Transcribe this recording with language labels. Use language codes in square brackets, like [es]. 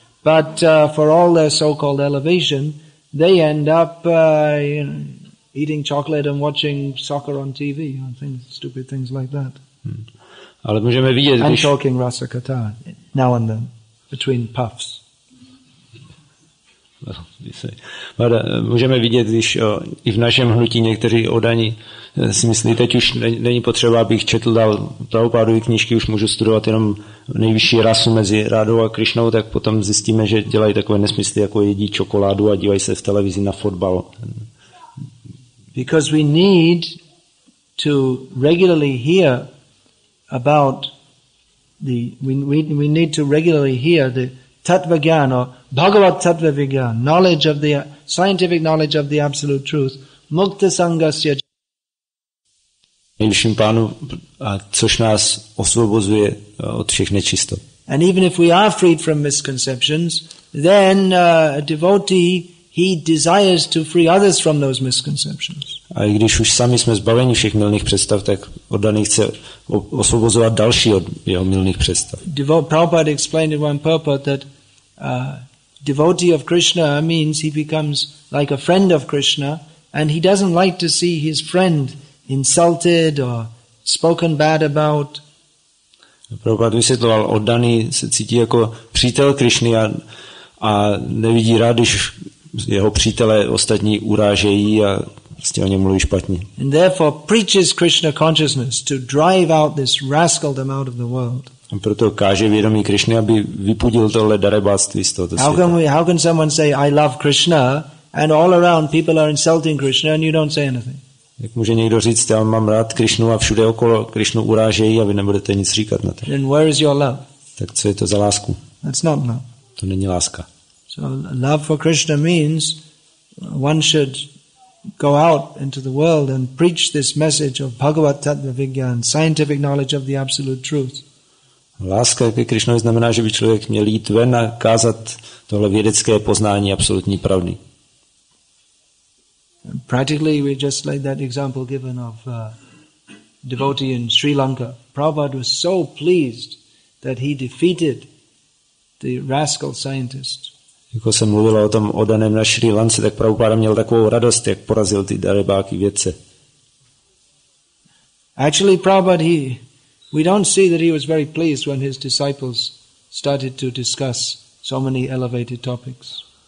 [en] But for all their so-called elevation, they end up eating chocolate and watching soccer on TV and things, stupid things like that. [cs] Ale můžeme vidět, [en] and talking Rasa Katha now and then, between puffs. [cs] But, můžeme vidět, když i v našem hnutí někteří oddaní si myslí, teď už není potřeba, abych četl dal Prabhupádovy knížky, už můžu studovat jenom nejvyšší rasu mezi Radou a Krišnou, tak potom zjistíme, že dělají takové nesmysly, jako jedí čokoládu a dívají se v televizi na fotbal. [en] Because we need to regularly hear about the we need to regularly hear the tattva gyan or bhagavat tattva vigyan, knowledge of the scientific knowledge of the absolute truth, mukta sangasya. [cs] Nejvyšším pánu, a což nás osvobozuje od všech nečistot. [en] And even if we are freed from misconceptions, then a devotee, he desires to free others from those misconceptions. [cs] A i když už sami jsme zbaveni všech mylných představ, tak oddaný chce osvobozovat další od jeho mylných představ. [en] Prabhupada explained in one purport that devotee of Krishna means he becomes like a friend of Krishna, and he doesn't like to see his friend insulted or spoken bad about. [cs] Prabhupada vysvětloval, oddaný se cítí jako přítel Krišny a nevidí rád, když jeho přítelé ostatní urážejí a prostě o něm mluví špatně. [en] And therefore preaches Krishna consciousness to drive out this rascaldom out of the world. [cs] A proto káže vědomí Krišny, aby vypudil tohle darebáctví z tohoto světa. [en] How can someone say I love Krishna and all around people are insulting Krishna and you don't say anything? [cs] Jak může někdo říct, já mám rád Krišnu a všude okolo Krišnu urážejí a vy nebudete nic říkat na to. [en] Then where is your love? [cs] Tak co je to za lásku? [en] That's not love. [cs] To není láska. [en] So love for Krishna means one should go out into the world and preach this message of Bhagavat Tattva Vigyan, scientific knowledge of the absolute truth. [cs] Láska ke Krišnovi znamená, že by člověk měl jít ven a kázat tohle vědecké poznání absolutní pravdy. [en] Practically, we just like that example given of a devotee in Sri Lanka. Prabhupada was so pleased that he defeated the rascal scientist. [cs] Jako jsem mluvil o tom oddaném na Sri Lance, tak Prabhupada měl takovou radost, jak porazil ty darebáky vědce. [en] Actually, Prabhupada, we don't see that he was very pleased when his disciples started to discuss so many elevated topics.